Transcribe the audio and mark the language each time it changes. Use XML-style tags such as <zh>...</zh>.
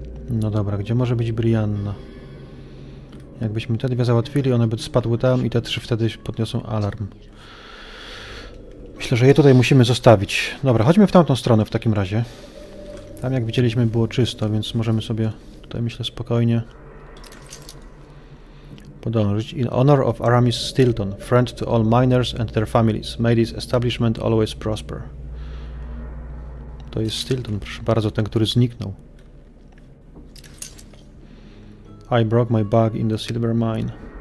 <pl>No dobra, gdzie może być Brianna? Jakbyśmy te dwie załatwili, one by spadły tam i te trzy wtedy podniosą alarm. Myślę, że je tutaj musimy zostawić. Dobra, chodźmy w tamtą stronę w takim razie. Tam jak widzieliśmy było czysto, więc możemy sobie tutaj, myślę, spokojnie podążyć.</pl> <en>In honor of Aramis Stilton, friend to all miners and their families, may this establishment always prosper.</en> <pl>To jest Stilton, proszę bardzo, ten, który zniknął.</pl> <en>I broke my bug in the silver mine.</en>